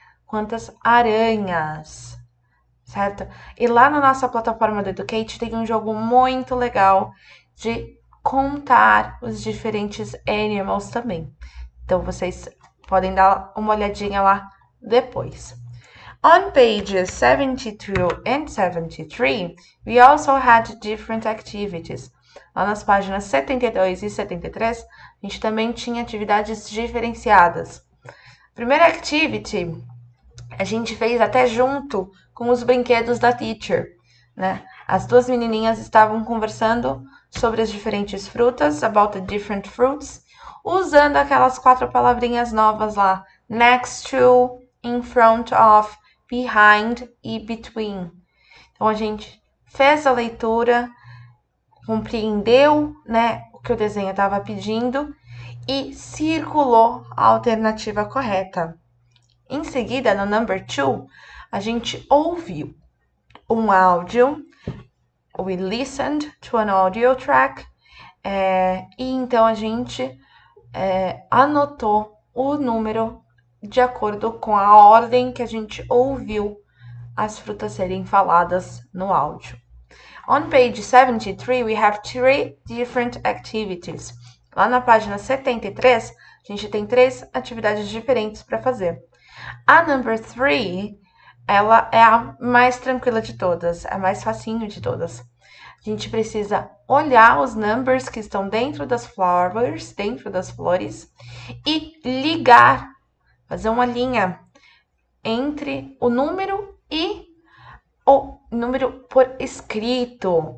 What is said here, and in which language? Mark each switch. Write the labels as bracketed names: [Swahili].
[Portuguese] Quantas aranhas, certo? E lá na nossa plataforma do Educate tem um jogo muito legal de contar os diferentes animals também. Então vocês podem dar uma olhadinha lá depois. [English] On pages 72 and 73, we also had different activities. [Portuguese] Lá nas páginas 72 e 73, a gente também tinha atividades diferenciadas. Primeira activity, a gente fez até junto com os brinquedos da teacher, né? As duas menininhas estavam conversando sobre as diferentes frutas, [English] about the different fruits, [Portuguese] usando aquelas quatro palavrinhas novas lá: next to, in front of, behind e between. Então a gente fez a leitura, compreendeu, né, o que o desenho estava pedindo e circulou a alternativa correta. Em seguida, no number 2, a gente ouviu um áudio [English] We listened to an audio track. [Portuguese] E então a gente anotou o número de acordo com a ordem que a gente ouviu as frutas serem faladas no áudio. [English] On page 73, we have three different activities. [Portuguese] Lá na página 73, a gente tem três atividades diferentes para fazer. A number 3, ela é a mais tranquila de todas, é a mais facinho de todas. A gente precisa olhar os numbers que estão dentro das flowers, dentro das flores, e ligar, fazer uma linha entre o número e o número por escrito.